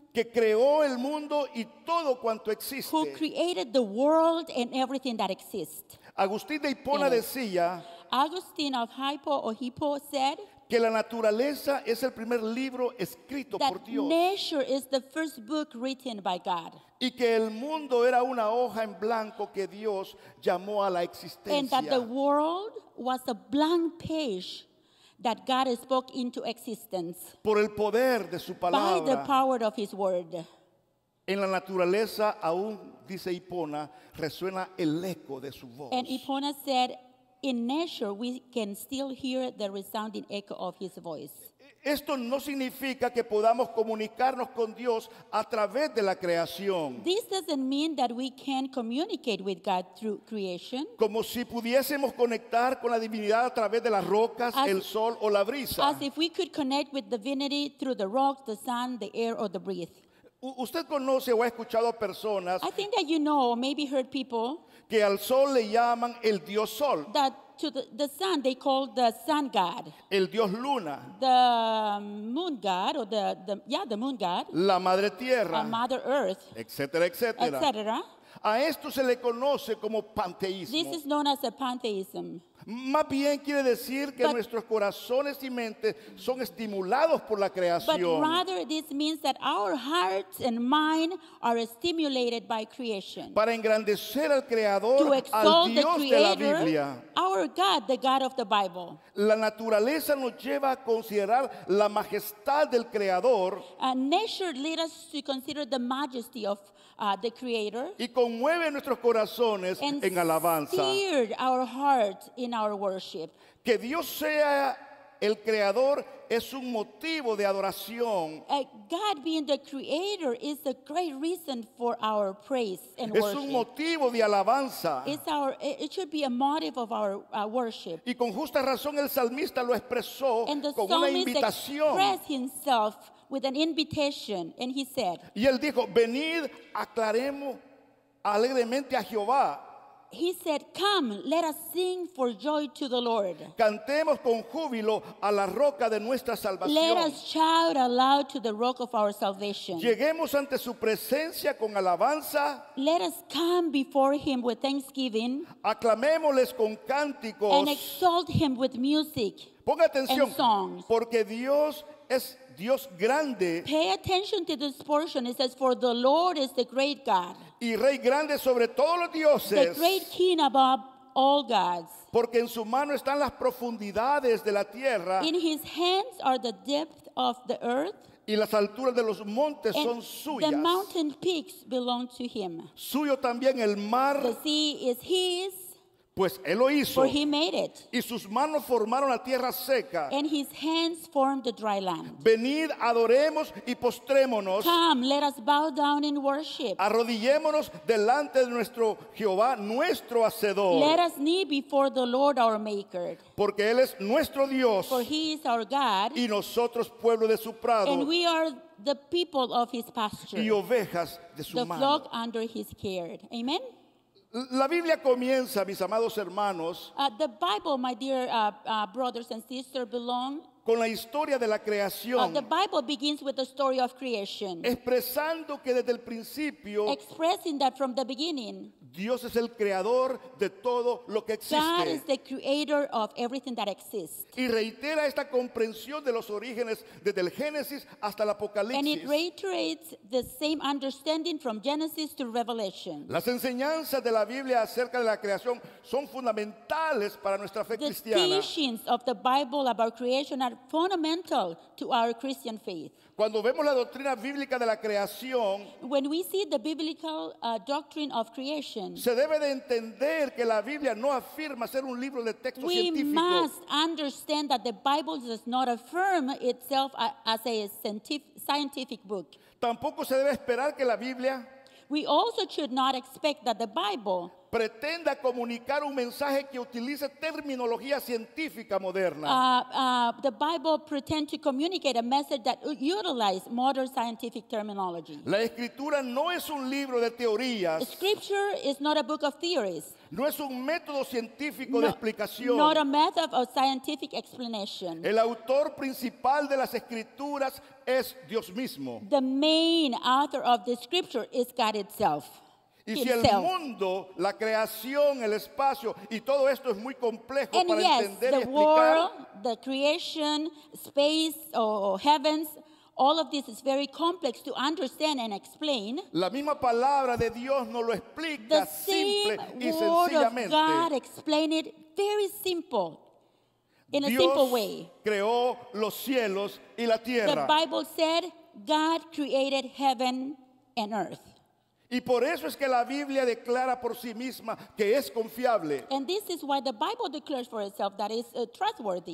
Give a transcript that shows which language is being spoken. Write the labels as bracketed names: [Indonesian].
[Spanish] Que creó el mundo y todo cuanto existe. [English] Who created the world and everything that exists. [Spanish] Agustín de Hipona decía. [English] Augustine of Hippo or Hippo said. [Spanish] Que la naturaleza es el primer libro escrito por Dios. [English] That nature is the first book written by God. [Spanish] Y que el mundo era una hoja en blanco que Dios llamó a la existencia. [English] And that the world was a blank page that God spoke into existence. [Spanish] Por el poder de su palabra. [English] By the power of his word. [Spanish] En la naturaleza, aún dice Ipona, resuena el eco de su voz. [English] And Ipona said, in nature, we can still hear the resounding echo of his voice. [Spanish] Esto no significa que podamos comunicarnos con Dios a través de la creación. [English] This doesn't mean that we can communicate with God through creation. [Spanish] Como si pudiésemos conectar con la divinidad a través de las rocas, el sol o la brisa. [English] As if we could connect with divinity through the rocks, the sun, the air, or the breeze. [Spanish] Usted conoce o ha escuchado personas. [English] I think that you know, maybe heard people. [Spanish] Que al sol le llaman el Dios Sol. [English] That to the sun they call the sun god. [Spanish] El Dios Luna. [English] The moon god or the moon god. [Spanish] La Madre Tierra. [English] A Mother Earth. [Spanish] Etcétera, etcétera. [English] Etcétera. [Spanish] A esto se le conoce como panteísmo. [English] This is known as a pantheism. [Spanish] Más bien quiere decir que nuestros corazones y mentes son estimulados por la creación. [English] But rather this means that our hearts and mind are stimulated by creation. [Spanish] Para engrandecer al Creador, [English] to exalt [Spanish] al Dios [English] the Creator, [Spanish] de la Biblia. [English] Our God, the God of the Bible. [Spanish] La naturaleza nos lleva a considerar la majestad del Creador. [English] And nature leads us to consider the majesty of the Creator. [Spanish] Y conmueve nuestros corazones en alabanza. [English] And stirred our hearts in our worship. [Spanish] Que Dios sea el creador es un motivo de adoración. [English] God being the creator is a great reason for our praise and worship. [Spanish] Es un motivo de alabanza. [English] It should be a motive of our worship. [Spanish] Y con justa razón el salmista lo expresó con una invitación. [English] And the psalmist expressed himself with an invitation, and he said, [Spanish] y él dijo, venid, aclaremos alegremente a Jehová. [English] He said, come, let us sing for joy to the Lord. [Spanish] Cantemos con júbilo a la roca de nuestra salvación. [English] Let us shout aloud to the rock of our salvation. [Spanish] Lleguemos ante su presencia con alabanza. [English] Let us come before him with thanksgiving. [Spanish] Aclamémosles con cánticos. [English] And exalt him with music. [Spanish] Ponga atención, [English] and songs. [Spanish] Porque Dios es Dios grande. [English] Pay attention to this portion. It says, for the Lord is the great God. [Spanish] Y rey grande sobre todos los dioses. [English] The great king above all gods. [Spanish] Porque en su mano están las profundidades de la tierra. [English] In his hands are the depth of the earth. [Spanish] Y las alturas de los montes [English] and [Spanish] son suyas. [English] The mountain peaks belong to him. [Spanish] Suyo también el mar. [English] The sea is his. [Spanish] Pues él lo hizo. [English] For he made it. [Spanish] Y sus manos formaron la tierra seca. [English] And his hands formed the dry land. [Spanish] Venid, adoremos y postrémonos. [English] Come, let us bow down in worship. [Spanish] Arrodillémonos delante de nuestro Jehová, nuestro Hacedor. [English] Let us knee before the Lord our Maker. [Spanish] Porque él es nuestro Dios. [English] For he is our God. [Spanish] Y nosotros pueblo de su prado. [English] And we are the people of his pasture. [Spanish] Y ovejas de su [English] the [Spanish] mano. [English] The flock under his care. Amen. [Spanish] La Biblia comienza, mis amados hermanos, [English] the Bible, my dear brothers and sisters, belong [Spanish] con la historia de la creación. [English] The Bible begins with the story of creation. [Spanish] Expresando que desde el principio, [English] expressing that from the beginning, [Spanish] Dios es el creador de todo lo que existe. [English] God is the creator of everything that exists. [Spanish] Y reitera esta comprensión de los orígenes desde el Génesis hasta el Apocalipsis. [English] And it reiterates the same understanding from Genesis to Revelation. [Spanish] Las enseñanzas de la Biblia acerca de la creación son fundamentales para nuestra fe cristiana. [English] The teachings of the Bible about creation are fundamental to our Christian faith. [Spanish] Cuando vemos la doctrina bíblica de la creación, [English] when we see the biblical doctrine of creation, [Spanish] se debe de entender que la Biblia no afirma ser un libro de texto científico. [English] We must understand that the Bible does not affirm itself as a scientific book. [Spanish] Tampoco se debe esperar que la Biblia, [English] we also should not expect that the Bible, [Spanish] pretenda comunicar un mensaje que utilice terminología científica moderna. [English] The Bible pretend to communicate a message that utilizes modern scientific terminology. [Spanish] La escritura no es un libro de teorías. [English] The scripture is not a book of theories. [Spanish] No es un método científico de explicación. [English] Not a method of scientific explanation. [Spanish] El autor principal de las escrituras es Dios mismo. [English] The main author of the scripture is God itself. [Spanish] Y si el mundo, la creación, el espacio y todo esto es muy complejo para entender y explicar. [English] And yes, the world, the creation, space or heavens, all of this is very complex to understand and explain. [Spanish] La misma palabra de Dios no lo explica simple y [English] The same word of God explain it very simple. In [Spanish] Dios [English] a simple way. [Spanish] Creó los cielos y la tierra. [English] The Bible said God created heaven and earth. [Spanish] Y por eso es que la Biblia declara por sí misma que es confiable. [English] And this is why the Bible declares for itself that it's trustworthy.